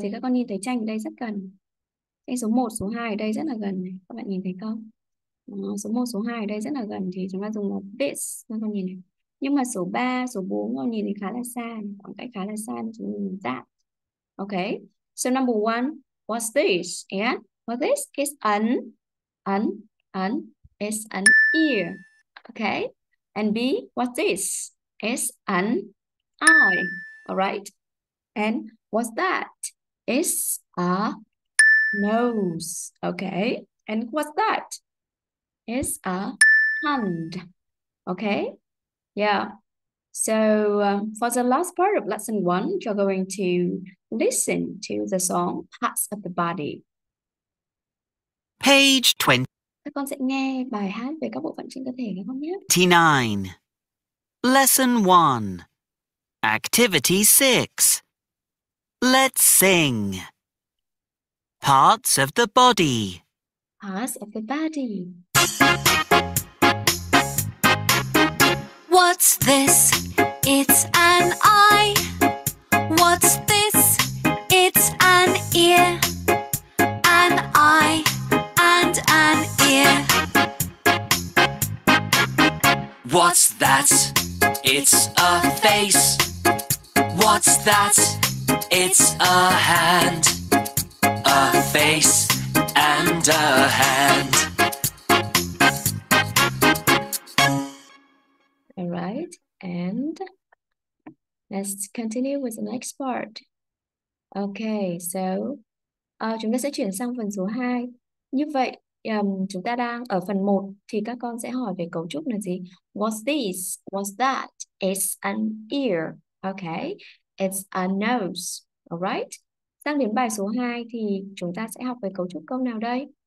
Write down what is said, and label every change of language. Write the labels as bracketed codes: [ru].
[vi] Thì các con nhìn thấy tranh ở đây rất gần. Tranh số 1, số 2 ở đây rất là gần này. Các bạn nhìn thấy không? Số 1, số 2 ở đây rất là gần thì chúng ta dùng một this. Các con nhìn này. Nhưng mà số 3, số 4 con nhìn thấy khá là xa. Khoảng cách khá là xa chúng mình nhìn that. [en] Okay. So number 1, what's this? And what this is an is an ear. Okay? And B, what's this? Is an eye. All right? And what's that? Is a nose. Okay? And what's that? Is a hand. Okay? Yeah. So for the last part of lesson one, you're going to listen to the song Parts of the Body. Page 20. [vi] Các con sẽ nghe bài hát về các bộ phận trên cơ thể các con nhé. [en] 29. Lesson 1. Activity 6. Let's sing. Parts of the Body. Parts of the Body. What's this? It's an eye. What's this? It's an ear. An eye and an ear. What's that? It's a face. What's that? It's a hand. A face and a hand. All right, and let's continue with the next part. Okay, so [vi] chúng ta sẽ chuyển sang phần số 2. Như vậy, chúng ta đang ở phần 1 thì các con sẽ hỏi về cấu trúc là gì? [en] What's this? What's that? It's an ear. Okay, it's a nose. [vi] All right, sang đến bài số 2 thì chúng ta sẽ học về cấu trúc câu nào đây?